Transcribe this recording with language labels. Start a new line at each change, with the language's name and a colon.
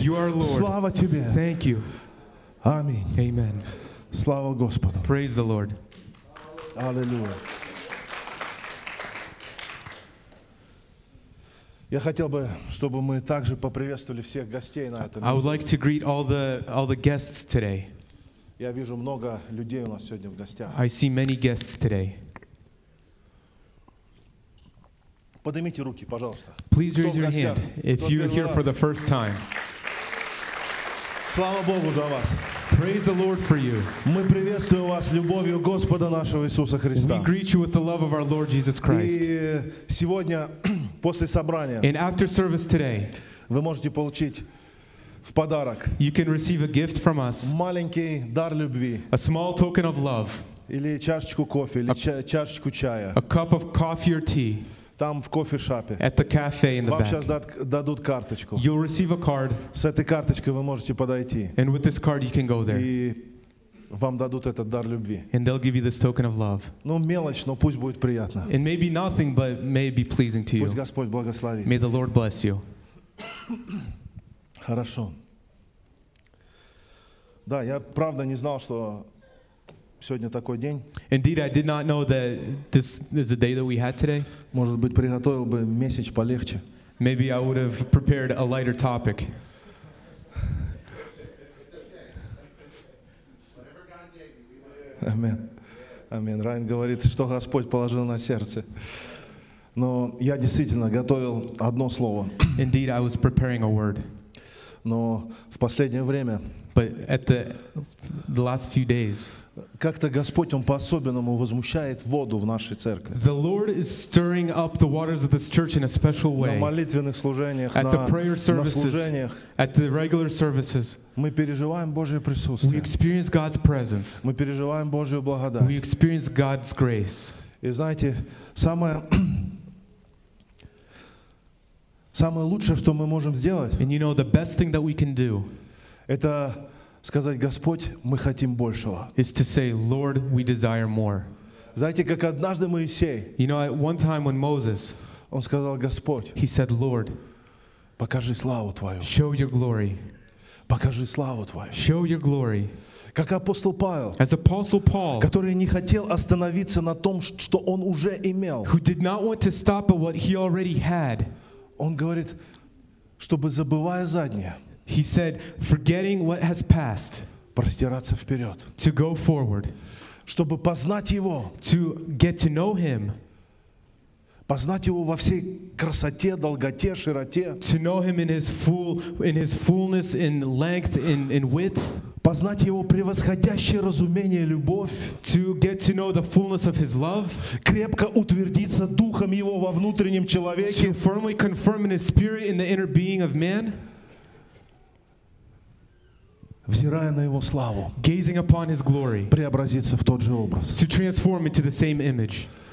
English: You are Lord.
Russian: Слава тебе.
English: Thank you.
Russian: Аминь.
English: Amen.
Russian: Слава Господу.
English: Praise the Lord.
Russian: Аллилуйя. Я хотел бы, чтобы мы также поприветствовали всех гостей на этом.
English: I would like to greet all the guests today.
Russian: Я вижу много людей у нас сегодня в гостях.
English: I see many guests today.
Russian: Поднимите руки, пожалуйста.
English: Please raise your hand if you're here for the first time.
Russian: Слава Богу за вас.
English: Praise the Lord for you.
Russian: Мы приветствуем вас любовью Господа нашего Иисуса Христа.
English: We greet you with the love of our Lord Jesus Christ.
Russian: И сегодня после собрания.
English: And after service today.
Russian: Вы можете получить в подарок.
English: You can receive a gift from us.
Russian: Маленький дар любви.
English: A small token of love.
Russian: Или чашечку кофе, или чашечку чая.
English: A cup of coffee or tea.
Russian: Там в кофе шапе.
English: At the cafe in the
Russian: вам
English: back.
Russian: Сейчас дадут карточку.
English: You'll receive a card.
Russian: С этой карточкой вы можете подойти.
English: And with this card you can go there.
Russian: И вам дадут этот дар любви.
English: And they'll give you this token of love.
Russian: Ну мелочь, но пусть будет приятно.
English: And maybe nothing, but may be pleasing to you.
Russian: Пусть Господь благословит.
English: May the Lord bless you.
Russian: Хорошо. Да, я правда не знал, что сегодня такой день.
English: Indeed, I did not know that this is the day that we had today.
Russian: Может быть, приготовил бы месседж полегче.
English: Maybe I would have prepared a lighter topic. Amen. Amen.
Russian: Райан говорит, что Господь положил на сердце. Но я действительно готовил одно слово.
English: Indeed, I was preparing a word.
Russian: Но в последнее время.
English: But at the last few days.
Russian: Как-то Господь, Он по-особенному возмущает воду в нашей церкви.
English: The Lord is stirring up the waters of this church in a special way.
Russian: На молитвенных служениях,
English: at the prayer services,
Russian: на служениях,
English: at the regular services,
Russian: мы переживаем Божье присутствие.
English: We experience God's presence.
Russian: Мы переживаем Божью благодать.
English: We experience God's grace.
Russian: И знаете, самое лучшее, что мы можем сделать,
English: and you know, the best thing that we can do,
Russian: это сказать, Господь, мы хотим большего.
English: Is to say, Lord, we desire more.
Russian: Знаете, как однажды Моисей,
English: you know, at one time when Moses,
Russian: он сказал, Господь,
English: he said, Lord,
Russian: покажи славу Твою.
English: Show your glory.
Russian: Покажи славу Твою.
English: Show your glory.
Russian: Как апостол Павел,
English: as Apostle Paul,
Russian: который не хотел остановиться на том, что он уже имел,
English: who did not want to stop at what he already had,
Russian: он говорит, чтобы забывая заднее,
English: he said, forgetting what has passed,
Russian: простираться вперед,
English: to go forward,
Russian: чтобы познать его,
English: to get to know him,
Russian: познать его во всей красоте, долготе, широте,
English: to know him in his fullness, in length, in width,
Russian: познать его превосходящее разумение, любовь,
English: to get to know the fullness of his love,
Russian: крепко утвердиться духом его во внутреннем человеке,
English: to firmly confirm in his spirit in the inner being of man,
Russian: взирая на его славу,
English: gazing upon his glory,
Russian: преобразиться в тот же образ,
English: to transform into the same image.